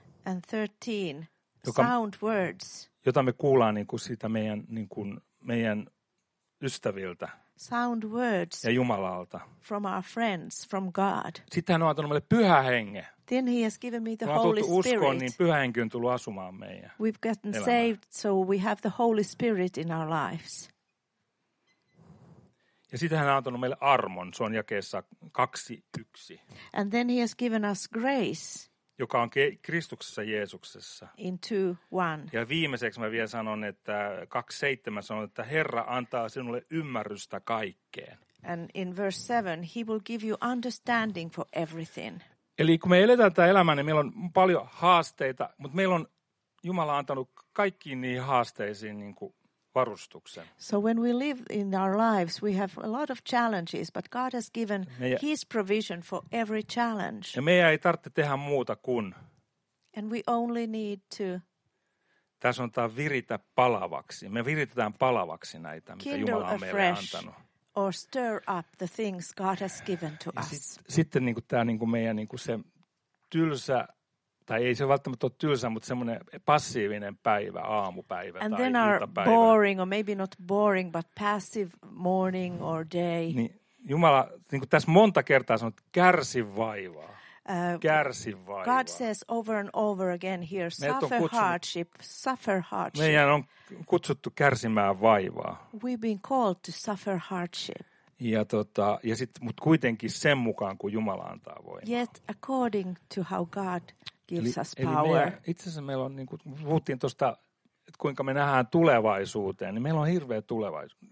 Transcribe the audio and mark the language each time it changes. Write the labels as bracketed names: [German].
[English] And 13 sound words. [Finnish] Jota me kuullaan niin kuin siitä meidän niin kuin meidän ystäviltä. [English] Sound words [Finnish] ja Jumalalta. [English] From our friends, from God. [Finnish] Sitten hän on antanut meille pyhä henge. [English] Then he has given me the Holy Spirit. Kun [Finnish] on tultu uskoon, niin pyhä henki on tullut asumaan meidän. [English] We've gotten saved, so we have the Holy Spirit in our lives. [Finnish] Ja sitten hän on antanut meille armon, se on jakeessa 2:1. [English] And then he has given us grace. [Finnish] Joka on Kristuksessa Jeesuksessa. [English] In 2:1. [Finnish] Ja viimeiseksi mä vielä sanon, että 2:7 sanon, että Herra antaa sinulle ymmärrystä kaikkeen. [English] And in verse 7, he will give you understanding for everything. [Finnish] Eli kun me eletään tätä elämää, niin meillä on paljon haasteita, mutta meillä on Jumala antanut kaikkiin niihin haasteisiin niin kuin varustuksen. [English] So when we live in our lives, we have a lot of challenges, but God has given his provision for every challenge. [Finnish] Ja meidän ei tarvitse tehdä muuta kuin. [English] And we only need to. [Finnish] Tässä on tämä viritä palavaksi. Me viritetään palavaksi näitä, mitä Jumala on meille antanut. [English] Or stir up the things God has given to us. [Finnish] Sitten niin kuin tämä niin kuin meidän niin kuin se tylsä. Tai ei se välttämättä ole tylsä, mutta semmoinen passiivinen päivä, aamupäivä [English] and [Finnish] tai iltapäivä. [English] And then our boring, or maybe not boring, but passive morning or day. [Finnish] Niin Jumala, niin kuin tässä monta kertaa sanoo, että kärsi vaivaa. Kärsi vaivaa. [English] God says over and over again here, suffer hardship. [Finnish] Meidän on kutsuttu kärsimään vaivaa. [English] We've been called to suffer hardship. [Finnish] Ja sit, mut kuitenkin sen mukaan, kun Jumala antaa voimaa. [English] Yet according to how God gives [Finnish] eli, [English] us power. [Finnish] Itse asiassa meillä on, niin kuin puhuttiin tuosta, että kuinka me nähdään tulevaisuuteen, niin meillä on hirveä tulevaisuus.